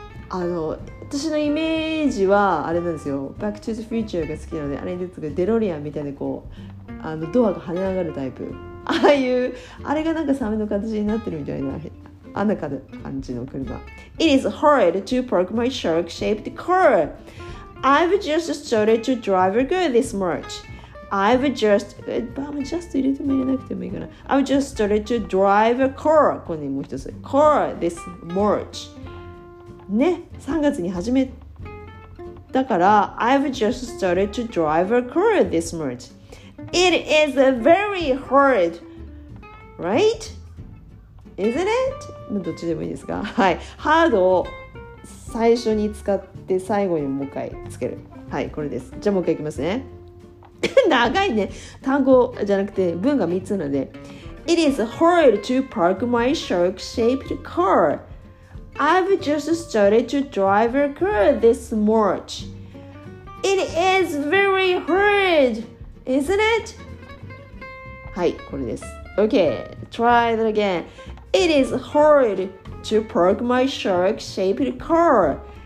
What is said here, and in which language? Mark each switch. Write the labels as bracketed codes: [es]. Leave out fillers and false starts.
[ja] 私のイメージはあれなんですよ、 Back to the Future が好きなので、あれですけど、デロリアンみたいな、こうドアが跳ね上がるタイプ、ああいうあれがなんかサメの形になってるみたいな、あんな感じの車。 [en] It is hard to park my shark shaped car. I've just started to drive a car this March. I've just started to drive a car. [ja] ここにもう一つ [en] car this March. [ja] ね、3月に始めだから、 [en] I've just started to drive a car this March. It is very hard, right? Isn't it? [ja] どっちでもいいですか、はい、ハードを最初に使って最後にもう一回つける、はい、これです。じゃあもう一回いきますね。長いね。単語じゃなくて文が3つなので。 [en] It is hard to park my shark-shaped car. I've just started to drive a car this March. It is very hard, isn't it? [ja] はい、これです。 [en] Okay, try that again. It is hard to park my shark-shaped car.